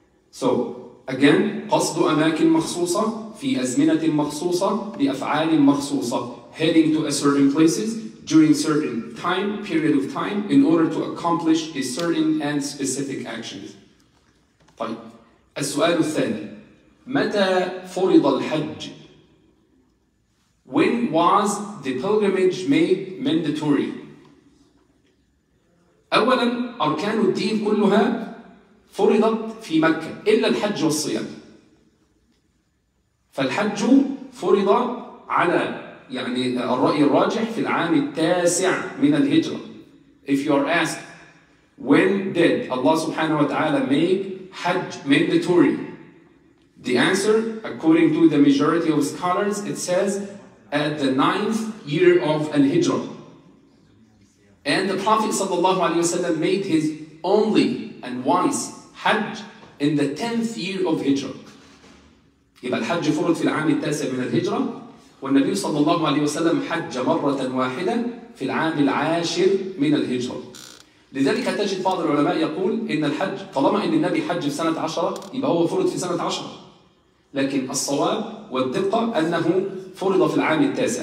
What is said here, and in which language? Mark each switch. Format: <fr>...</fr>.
<en>So again,</en> <ar>قَصْدُ أَمَاكٍ مَخْصُوصَ فِي أَزْمِنَةٍ مَخْصُوصَ بِأَفْعَالٍ مَخْصُوصَ,</ar> <en>heading to a certain places during certain time, period of time, in order to accomplish a certain and specific actions.</en> <ar>طيب, السؤال الثاني, مَتَى فُرِضَ الْحَجِّ,</ar> <en>when was the pilgrimage made mandatory?</en> <ar>أولا, أركان الدين كلها فرضت في مكة إلا الحج والصيام. فالحج فرض على يعني الرأي الراجح في العام التاسع من الهجرة.</ar> <en>If you are asked, when did Allah subhanahu wa ta'ala make Hajj mandatory? The answer, according to the majority of scholars, it says at the 9th year of al-Hijrah. And the Prophet sallallahu alayhi wa sallam made his only and once Hajj in the 10th year of Hijrah.</en> <ar>يبقى الحج فرض في العام التاسع من الهجرة, والنبي صلى الله عليه وسلم حج مرة واحدة في العام العاشر من الهجرة. لذلك تجد بعض العلماء يقول إن الحج, طالما إن النبي حج في سنة 10 يبقى هو فرض في سنة 10, لكن الصواب والدقة أنه فرض في العام التاسع.</ar>